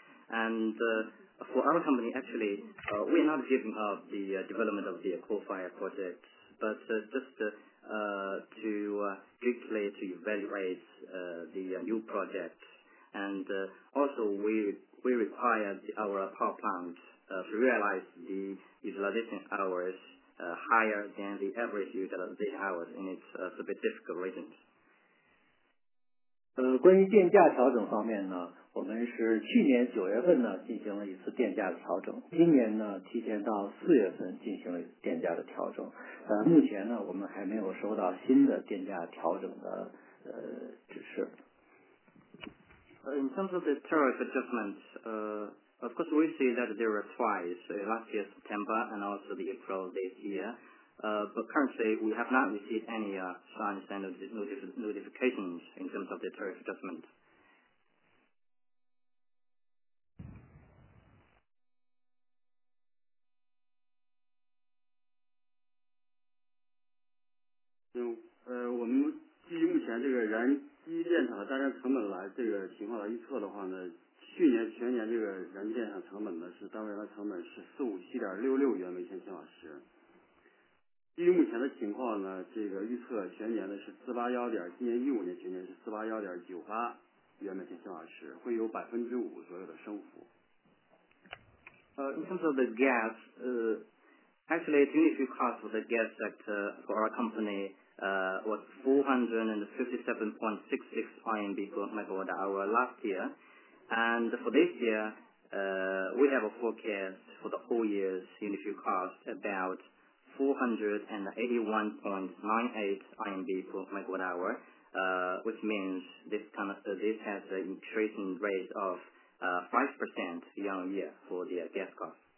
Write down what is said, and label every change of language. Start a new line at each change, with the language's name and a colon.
English: And for our company, actually, we are not giving up the development of the coal-fired project, but quickly to evaluate the new project. And also, we require our power plant to realize the utilization hours higher than the average utilization hours in its specific regions.
Chinese: 关于电价调整方面呢，我们是去年九月份呢进行了一次电价的调整，今年呢提前到四月份进行了电价的调整。目前呢我们还没有收到新的电价调整的指示。
English: In terms of the tariff adjustments, of course, we see that there were twice, last year September and also the April this year. But currently, we have not received any signs and notifications in terms of the tariff adjustment.
Chinese: 我们基于目前这个燃机电厂的单价成本来这个情况来预测的话呢，去年全年这个燃气电厂成本呢是单位的成本是47.66元每千瓦时，基于目前的情况呢，这个预测全年呢是481.，今年15年全年是481.98元每千瓦时，会有5%左右的升幅。
English: In terms of the gas, actually the unit cost for the gas sector for our company was 457.66 RMB per megawatt hour last year. And for this year, We have a forecast for the whole year's unit fuel cost about 481.98 RMB per megawatt hour, which means this has an increasing rate of 5% year on year for the gas cost.